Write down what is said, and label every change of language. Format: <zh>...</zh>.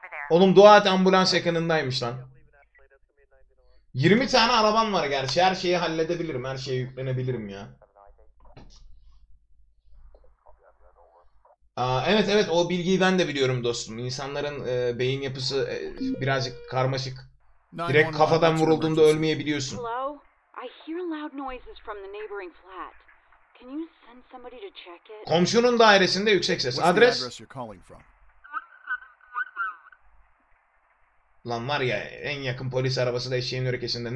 <tr>Oğlum dua et ambulans yakınındaymış lan. 20 tane araban var gerçi. Her şeyi halledebilirim. Her şeye yüklenebilirim ya. Evet, o bilgiyi ben de biliyorum dostum. İnsanların beyin yapısı birazcık karmaşık. Direkt kafadan vurulduğunda ölmeyebiliyorsun.</tr> <en>Hello? I hear loud noises from the neighboring flat. Can you send somebody to check it?</en> <tr>Komşunun dairesinde yüksek ses. Adres? Lan var ya, en yakın polis arabası da eşeğin ülkesinde.</tr>